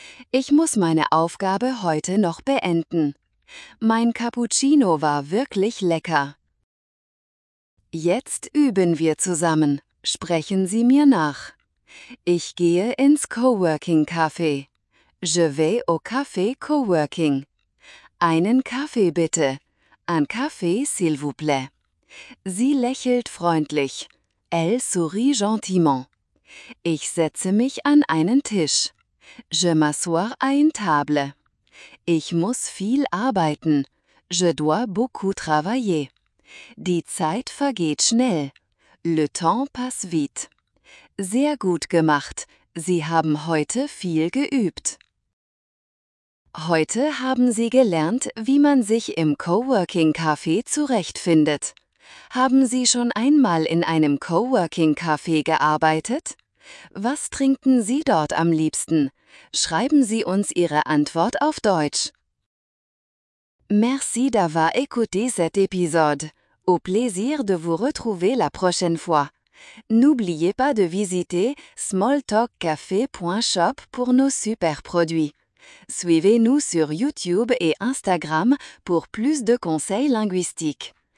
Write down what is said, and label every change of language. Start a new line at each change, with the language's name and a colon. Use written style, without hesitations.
German: Ich muss meine Aufgabe heute noch beenden. Mein Cappuccino war wirklich lecker. Jetzt üben wir zusammen. Sprechen Sie mir nach. Ich gehe ins Coworking-Café.
French: Je vais au café Coworking.
German: Einen Kaffee bitte.
French: Un café, s'il vous plaît.
German: Sie lächelt freundlich.
French: Elle sourit gentiment.
German: Ich setze mich an einen Tisch.
French: Je m'assois à une table.
German: Ich muss viel arbeiten.
French: Je dois beaucoup travailler.
German: Die Zeit vergeht schnell.
French: Le temps passe vite.
German: Sehr gut gemacht. Sie haben heute viel geübt. Heute haben Sie gelernt, wie man sich im Coworking-Café zurechtfindet. Haben Sie schon einmal in einem Coworking-Café gearbeitet? Was trinken Sie dort am liebsten? Schreiben Sie uns Ihre Antwort auf Deutsch.
French: Merci d'avoir écouté cet épisode. Au plaisir de vous retrouver la prochaine fois. N'oubliez pas de visiter smalltalkcafé.shop pour nos super produits. Suivez-nous sur YouTube et Instagram pour plus de conseils linguistiques.